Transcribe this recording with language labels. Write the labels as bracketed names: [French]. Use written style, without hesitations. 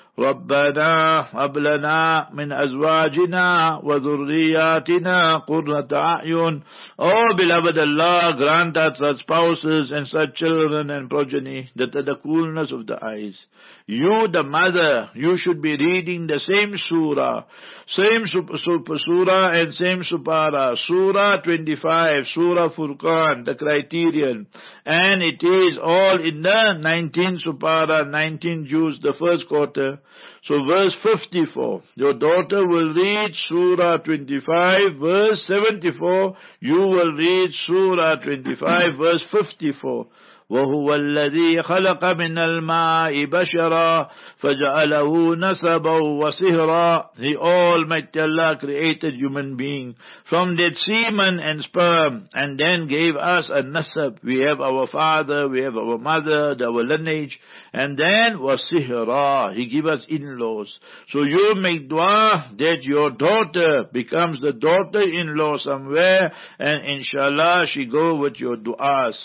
[Arabic] ربنا هب لنا من ازواجنا وذرياتنا قرة اعين. [English] Oh beloved Allah, grant us such spouses and such children and progeny that are the coolness of the eyes. You the mother, you should be reading the same surah and same supara. Surah 25, Surah Furqan, the criterion, and it is all in the 19th supara, 19 juz, the first quarter. So verse 54, your daughter will read Surah 25, verse 74, you will read Surah 25, verse 54. [Arabic] وهو الذي خلق من الماء بشرا فجعله نسبا وصهرا. [English] The Almighty Allah created human being from that semen and sperm, and then gave us a nasab. We have our father, we have our mother, our lineage, and then wasihra, he give us in-laws. So you make dua that your daughter becomes the daughter-in-law somewhere, and inshallah she go with your duas.